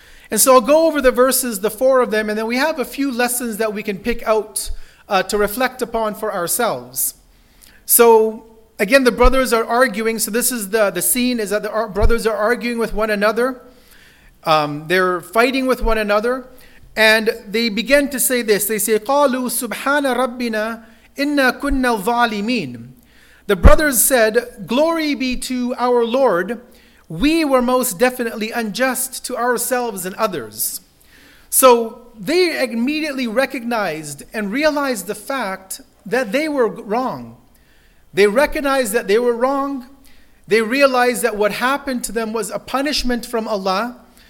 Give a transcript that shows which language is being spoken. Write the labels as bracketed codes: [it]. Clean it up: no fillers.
[en] And so I'll go over the verses, the 4 of them, and then we have a few lessons that we can pick out to reflect upon for ourselves. So again, the brothers are arguing. So this is the scene, is that the brothers are arguing with one another. They're fighting with one another. And they begin to say this. They say, [ar] قَالُوا سُبْحَانَ رَبِّنَا إِنَّا كُنَّا ظَالِمِينَ. [en] The brothers said, glory be to our Lord. We were most definitely unjust to ourselves and others. So they immediately recognized and realized the fact that they were wrong. They recognized that they were wrong. They realized that what happened to them was a punishment from Allah.